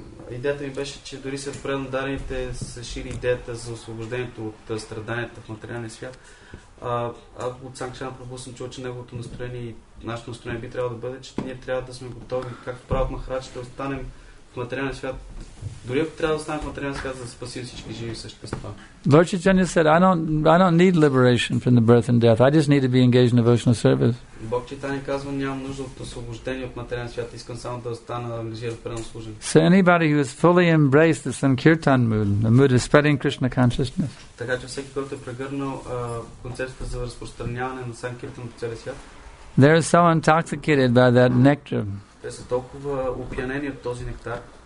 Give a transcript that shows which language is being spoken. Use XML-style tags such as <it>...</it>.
<bg>Идеята ми беше, че дори се предадените се шири идеята за освобождението от страданията в материалния свят. Ако от Санкшана Прабху съм чул, че неговото настроение и нашето настроение би трябвало да бъде, че ние трябва да сме готови, както правят Махарадж, да останем в материалния свят. Дори ако трябва да останем в материалния свят, за да спасим всички живи същества.</bg> <en>Lord Chaitanya said, I don't need liberation from the birth and death. I just need to be engaged in devotional service.</en> <bg>Бог Чайтанья казва, нямам нужда от освобождение от материалния свят. Искам само да остана ангажиран в предно служение.</bg> <en>So anybody who has fully embraced the Sankirtan mood, the mood of spreading Krishna consciousness.</en> <bg>Така че всеки, който е прегърнал концепцията за разпространяване на Санкиртан по целия свят.</bg> <en>They are so intoxicated by that nectar.</en> <bg>Те са толкова опиянени от този нектар.</bg>